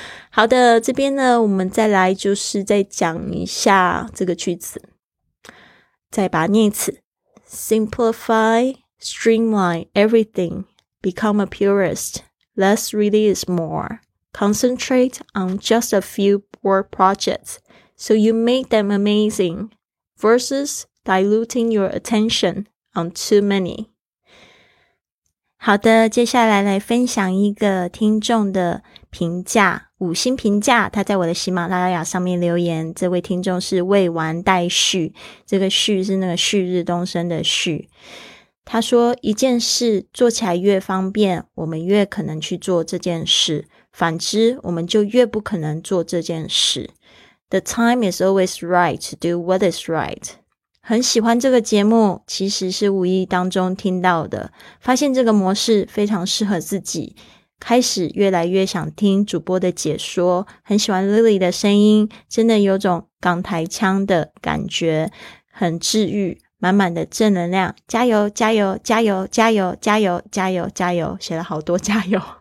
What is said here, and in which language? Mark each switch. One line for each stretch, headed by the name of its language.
Chinese: 好的，这边呢我们再来就是再讲一下这个句子，再把它念一次。
English: Simplify Streamline Everything Become a purist Less really is more Concentrate on just a few work projects So you make them amazing Versus diluting your attention on too many。
Chinese: 好的，接下来来分享一个听众的评价，五星评价，他在我的喜马拉雅上面留言。这位听众是未完待续，这个续是那个旭日东升的续。他说，一件事做起来越方便，我们越可能去做这件事，反之我们就越不可能做这件事。
English: The time is always right to do what is right。
Chinese: 很喜欢这个节目，其实是无意当中听到的，发现这个模式非常适合自己，开始越来越想听主播的解说，很喜欢 Lily 的声音，真的有种港台腔的感觉，很治愈，满满的正能量，加油加油加油加油加油加油加油，写了好多加油。